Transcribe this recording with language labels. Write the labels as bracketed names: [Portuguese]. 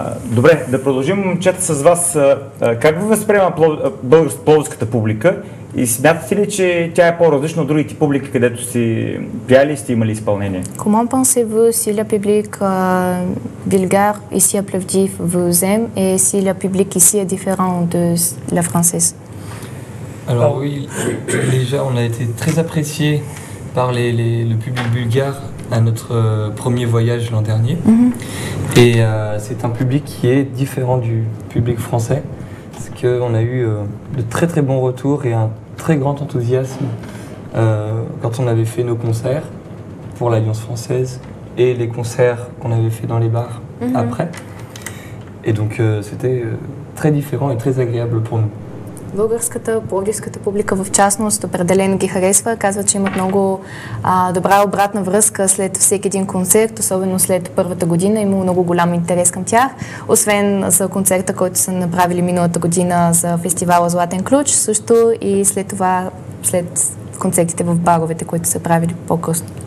[Bulgarian] Добре, да продължим момчета с вас. Как ви възприема българската публика и смятате ли, че тя е по-различна от другите публики, където си пияли и сте имали изпълнение? [French] Comment pensez-vous si la public bulgare ici à Plovdiv vous aime et si la public ici est différent de la française? Alors oui, déjà on a été très apprécié par le public bulgare à notre premier voyage l'an dernier. Et c'est un public qui est différent du public français, parce qu'on a eu de très très bons retours et un très grand enthousiasme quand on avait fait nos concerts pour l'Alliance française et les concerts qu'on avait fait dans les bars après. Et donc c'était très différent et très agréable pour nous. [Bulgarian] Българската, пловдивската публика в частност определено ги харесва. Казват, че имат много добра обратна връзка след всеки един концерт, особено след първата година. Има много голям интерес към тях. Освен за концерта, който са направили миналата година за фестивала Златен ключ, също и след това, след концертите в баровете, които са правили по-късно.